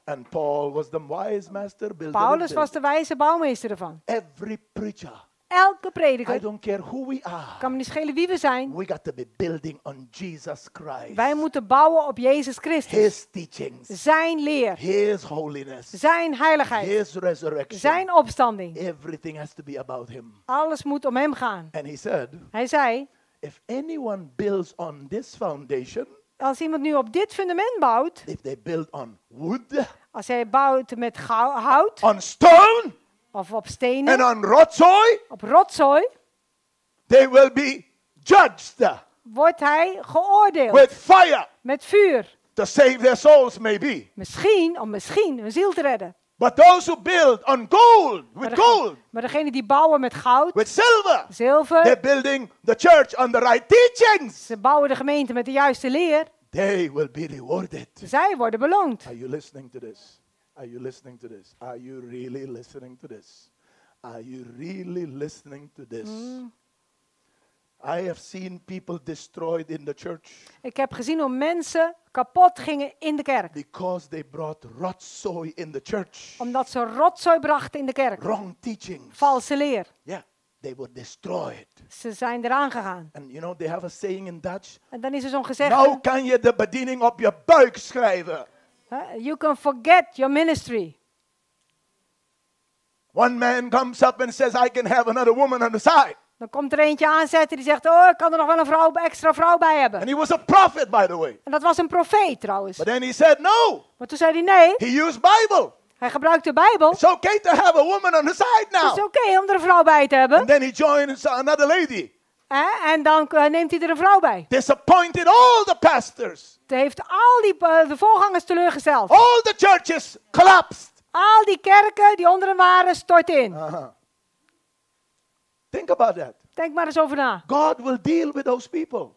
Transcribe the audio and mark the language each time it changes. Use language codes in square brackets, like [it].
[en] And Paul was the wise master builder. [nl] Paulus was de wijze bouwmeester ervan. [en] Every preacher. [nl] Elke prediker. [en] I don't care who we are. [nl] Kan me niet schelen wie we zijn. [en] We got to be building on Jesus Christ. [nl] Wij moeten bouwen op Jezus Christus. [en] His teachings. [nl] Zijn leer. [en] His holiness. [nl] Zijn heiligheid. [en] His resurrection. [nl] Zijn opstanding. [en] Everything has to be about him. [nl] Alles moet om hem gaan. [en] And he said, [nl] hij zei, [en] if anyone builds on this foundation, [nl] als iemand nu op dit fundament bouwt, [en] if they build on wood, [nl] als hij bouwt met hout, [en] on stone, [nl] of op stenen. [en] And on rotzooi, [nl] op rotzooi. [en] They will be judged. [nl] Wordt hij geoordeeld. [en] With fire. [nl] Met vuur. [en] To save their souls maybe. [nl] Misschien, om misschien hun ziel te redden. [en] But those who build on gold, with gold. [nl] Maar degene die bouwen met goud. [en] With silver. [nl] Zilver. [en] They're building the church on the right teachings. [nl] Ze bouwen de gemeente met de juiste leer. [en] They will be rewarded. [nl] Zij worden beloond. [en] Are you listening to this? Are you listening to this? Are you really listening to this? Are you really listening to this? I have seen people destroyed in the church. [nl] Ik heb gezien hoe mensen kapot gingen in de kerk. [en] Because they brought rotzooi in the church. [nl] Omdat ze rotzooi brachten in de kerk. [en] Wrong teachings. [nl] Valse leer. [en] Yeah. They were destroyed. [nl] Ze zijn eraan gegaan. [en] And you know they have a saying in Dutch. [nl] En dan is er zo'n gezegde. Nou kan je de bediening op je buik schrijven. [en] You can forget your ministry. One man comes up and says, I can have another woman on the side. [nl] Dan komt er eentje aanzetten die zegt, oh, ik kan er nog wel een vrouw, extra vrouw bij hebben. [en] And he was a prophet, by the way. [nl] En dat was een profeet trouwens. [en] But then he said no. [nl] Maar toen zei hij nee. [en] He used Bible. [nl] Hij gebruikte de Bijbel. [en] It's okay to have a woman on the side now. [nl] Het is okay om er een vrouw bij te hebben. [en] And then he joins another lady. [nl] En dan neemt hij er een vrouw bij. [en] Disappointed all the pastors. [nl] Het heeft al die de voorgangers teleurgesteld. [en] All the churches collapsed. [nl] Al die kerken die onder hem waren stort in. [en] Think about that. [nl] Denk maar eens over na. [en] God will deal with those people.